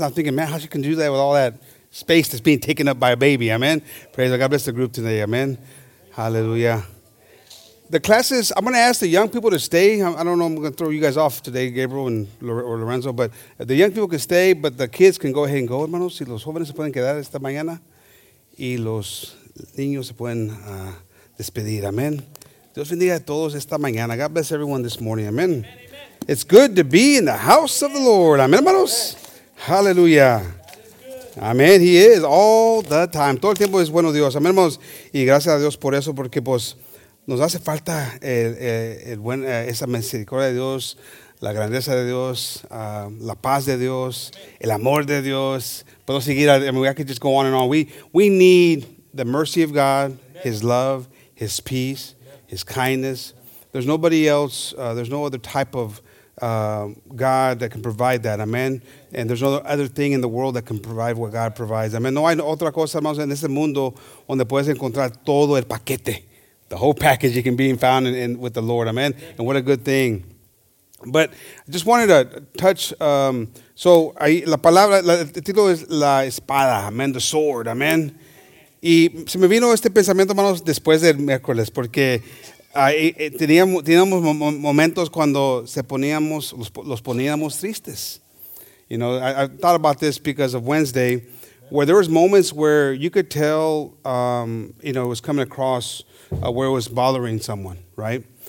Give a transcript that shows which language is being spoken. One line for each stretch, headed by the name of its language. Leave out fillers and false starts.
English: I'm thinking, man, how she can do that with all that space that's being taken up by a baby. Amen. Praise God. God bless the group today. Amen. Hallelujah. The classes, I'm going to ask the young people to stay. I don't know, I'm going to throw you guys off today, Gabriel or Lorenzo, but the young people can stay, but the kids can go ahead and go, hermanos.
Spanish: Si los jóvenes se pueden quedar esta mañana y los niños se pueden despedir.
English: Amen.
Spanish: Dios bendiga a todos esta mañana.
English: God bless everyone this morning. Amen. Amen, amen. It's good to be in the house of the Lord.
Spanish: Amen, hermanos. Hallelujah. Amén,
English: he is all the time.
Spanish: Todo el tiempo es bueno Dios. Amén, hermanos. Y gracias a Dios por eso, porque pues nos hace falta esa misericordia de Dios, la grandeza de Dios, la paz de Dios, el amor de Dios. Puedo seguir,
English: I could just go on and on. We need the mercy of God, his love, his peace, his kindness. There's nobody else, there's no other type of God that can provide that. Amen. And there's no other thing in the world that can provide what God provides. Amen.
Spanish: No hay otra cosa, hermanos, en este mundo donde puedes encontrar todo el paquete.
English: The whole package you can be found in with the Lord. Amen. And what a good thing. But I just wanted to touch.
Spanish: So I, la palabra, el título es la espada. Amen.
English: The sword.
Spanish: Amen. Y se me vino este pensamiento, hermanos, después del miércoles, porque teníamos momentos cuando se poníamos, los poníamos tristes.
English: You know, I thought about this because of Wednesday, where there was moments where you could tell, you know, it was coming across where it was bothering someone, right?